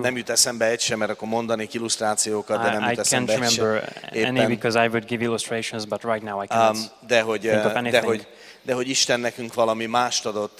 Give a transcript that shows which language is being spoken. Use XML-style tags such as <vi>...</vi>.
<hu>Nem jut eszembe egy sem, mert akkor mondanék illusztrációkat, de nem jut eszembe egy sem.</hu> <en>I can't remember any because I would give illustrations, but right now I can't</en> <hu>De hogy Isten nekünk valami mást adott.</hu>